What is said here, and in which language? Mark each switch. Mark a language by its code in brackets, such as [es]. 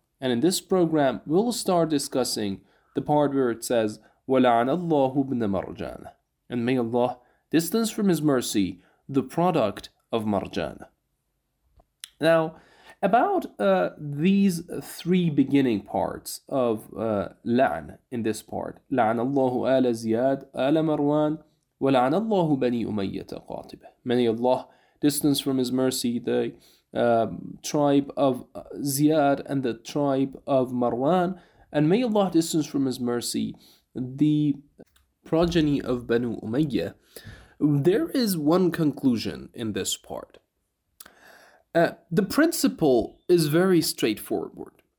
[en] And in this program, we'll start discussing the part where it says [ar] وَلَعَنَ اللَّهُ بْنَ مَرْجَانَ. [en] And may Allah distance from His mercy the product of Marjana. Now, about these three beginning parts of لعن in this part. [ar] لعن الله آل زياد آل مروان ولعن الله بني أمية قاطبة. [en] May Allah distance from His mercy the tribe of Ziyad and the tribe of Marwan. And may Allah distance from His mercy the progeny of Banu Umayya. There is one conclusion in this part. The principle is very straightforward.